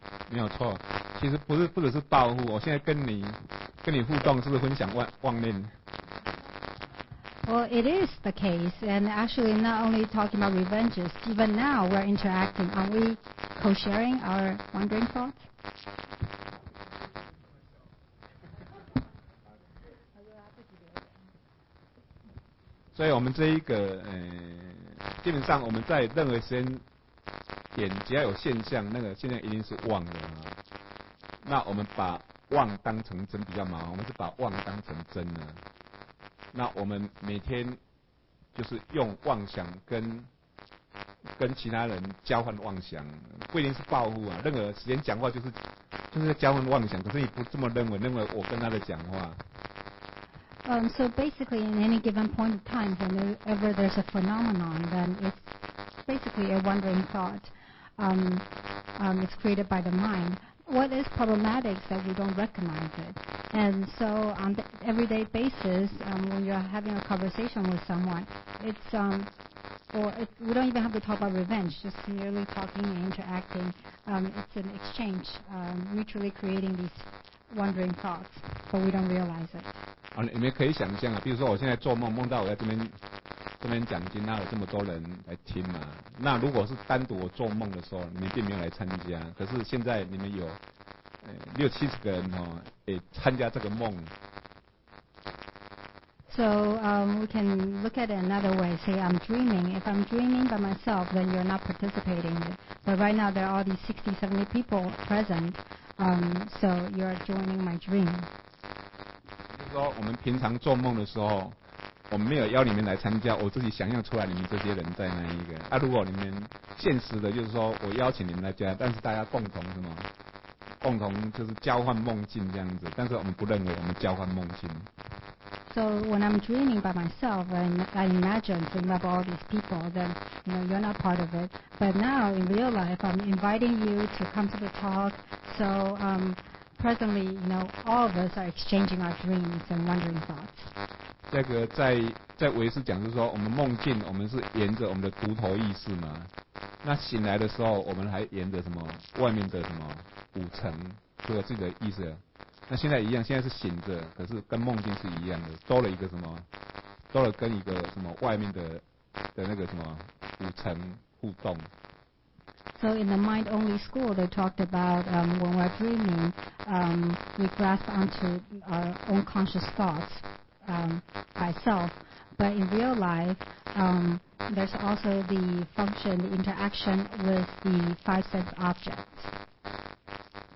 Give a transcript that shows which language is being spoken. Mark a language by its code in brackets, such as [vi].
[zh] 没有错，其实不只是报复，我现在跟你互动，是不是分享妄念？ [en] Well, it is the case, and actually not only talking about revenges, even now we're interacting. Are we co-sharing our wandering thoughts? [zh] So, 我们这一个，基本上我们在任何时间点，只要有现象，那个现象一定是妄的。那我们把妄当成真比较麻烦，我们是把妄当成真呢。那我们每天就是用妄想跟其他人交换妄想，不一定是报复啊。任何时间讲话就是交换妄想，可是你不这么认为我跟他的讲话。 [en] So basically, in any given point of time, whenever there's a phenomenon, then it's basically a wandering thought. It's created by the mind. What is problematic is that we don't recognize it. And so on the everyday basis, when you're having a conversation with someone, we don't even have to talk about revenge, just merely talking and interacting. It's an exchange, mutually creating these wandering thoughts, but we don't realize it. [zh] 啊，你们可以想象啊，比如说我现在做梦，梦到我在这边讲经，那有这么多人来听嘛？那如果是单独我做梦的时候，你们并没有来参加，可是现在你们有六七十个人哦，也参加这个梦。 [en] So we can look at it another way. Say I'm dreaming. If I'm dreaming by myself, then you're not participating. But right now there are all these 60, 70 people present. So you're joining my dream. [zh] 就是说我们平常做梦的时候，我没有邀你们来参加，我自己想象出来你们这些人在那一个。啊，如果你们现实的，就是说我邀请你们来加，但是大家共同什么？共同就是交换梦境这样子，但是我们不认为我们交换梦境。 [en] So when I'm dreaming by myself and I imagine dream of all these people, then you know you're not part of it. But now in real life, I'm inviting you to come to the talk. So presently, you know, all of us are exchanging our dreams and wondering thoughts. [zh] 这个在维斯讲是说，我们梦境我们是沿着我们的独头意识嘛。那醒来的时候，我们还沿着什么外面的什么五层，就有自己的意识。那现在一样，现在是醒着，可是跟梦境是一样的，多了一个什么，多了跟一个什么外面的那个什么五层互动。 [en] So in the mind only school, they talked about when we're dreaming, we grasp onto our own conscious thoughts, by self. But in real life, there's also the function, the interaction with the five sense objects.